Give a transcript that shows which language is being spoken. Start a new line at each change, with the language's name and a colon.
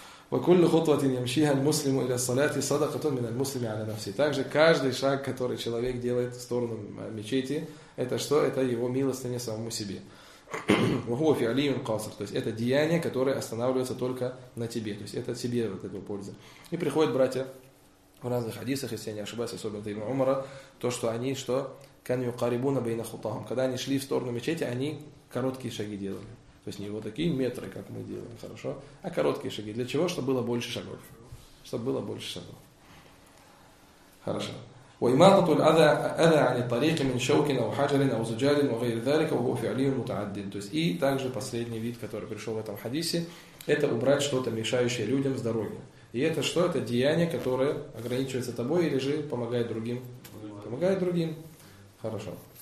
Arabic: وكل خطوة يمشيها المسلم إلى الصلاة صدقة من المسلم على نفسه.
Russian: Также каждый шаг, который человек делает в сторону мечети, это что? Это его милостыня самому себе.
Arabic: وهو فعلي قاصر.
Russian: То есть это деяние, которое останавливается только на тебе. То есть это тебе вот эту пользу. И приходят братья в разных хадисах, если я не ошибаюсь, особенно Ибн Умара, то, что они что?
Arabic: كان يقاربون بين خطاهم.
Russian: Когда они шли в сторону мечети, они короткие шаги делали. То есть не вот такие метры, как мы делаем, хорошо, а короткие шаги. Для чего? Чтобы было больше шагов. Чтобы было больше шагов. Хорошо.
Arabic: وإماطة الأذى عن الطريق من شوك أو حجر أو زجاج وغير ذلك وهو فعلي متعدد.
Russian: То есть и также последний вид, который пришел в этом хадисе, это убрать что-то, мешающее людям с дороги. И это что? Это деяние, которое ограничивается тобой или же помогает другим. Помогает другим. Хорошо.